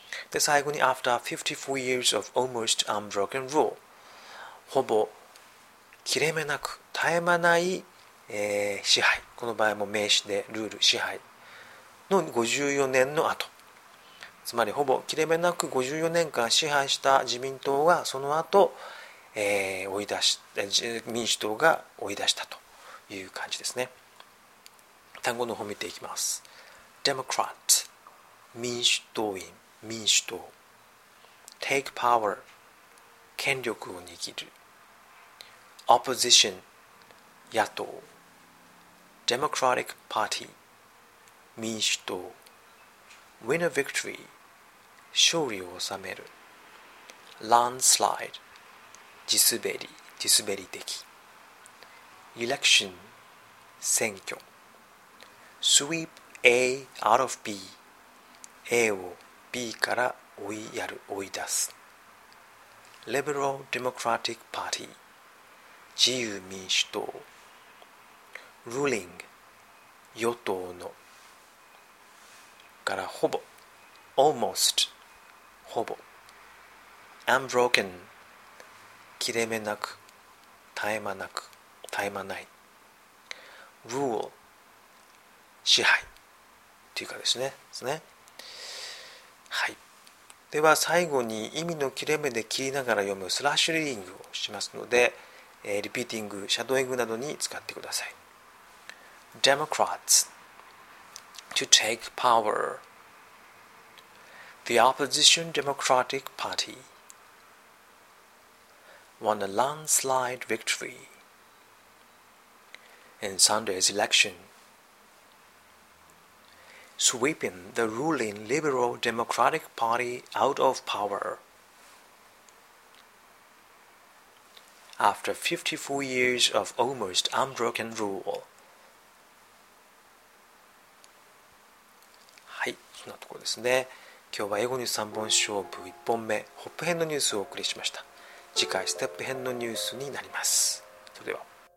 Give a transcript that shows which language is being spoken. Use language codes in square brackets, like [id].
[ja] で、最後に [en] After 54 years of almost unbroken rule、 [ja] ほぼ切れ目なく絶え間ない、支配、この場合も名詞でルール支配の54年の後、つまりほぼ切れ目なく54年間支配した自民党がその後追い出し、民主党が追い出したという感じですね。単語の方を見ていきます。Democrat、 民主党員、民主党。 [en] Take power、 [ja] 権力を握る。Opposition、 野党。 [en] Democratic Party、 [ja] 民主党。 [en] Win a victory、 [ja] 勝利を収める。Landslide、地滑り、地滑り的。 Election、 選挙。 [en] Sweep A out of B、 [ja] A を B から追いやる、追い出す。 [en] Liberal Democratic Party、 [ja] 自由民主党。 Ruling、 与党の。からほぼ、 Almost、 ほぼ。 Unbroken、切れ目なく、絶え間なく、絶え間ない。 Rule、 支配というかですね、はい、では最後に意味の切れ目で切りながら読むスラッシュリーディングをしますので、リピーティング、シャドーイングなどに使ってください。 [en] Democrats to take power. The opposition Democratic Party won a landslide victory in Sunday's election, sweeping the ruling Liberal Democratic Party out of power. After 54 years of almost unbroken rule. [ja] はい、そんなところですね。今日は英語ニュース3本勝負1本目、ホップ編のニュースをお送りしました。次回、ステップ編のニュースになります。それでは。